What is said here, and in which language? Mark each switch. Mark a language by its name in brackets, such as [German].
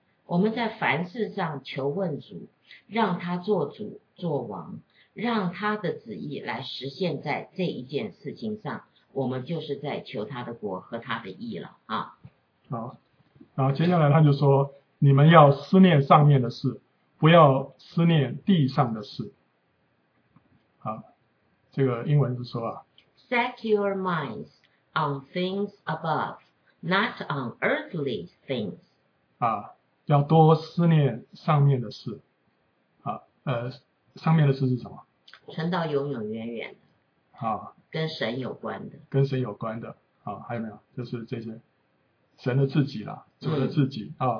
[Chinese] 我们在凡事上求问主，让他做主做王，让他的旨意来实现在这一件事情上，我们就是在求他的国和他的义了啊。好，然后接下来他就说，你们要思念上面的事，不要思念地上的事。好，这个英文是说啊， [English] Set your minds on things above, not on earthly things. [Chinese] 啊，要多思念上面的事啊，上面的事是什么？存到永永远远的啊，跟神有关的，跟神有关的啊，还有没有？就是这些神的自己啦，主的自己啊，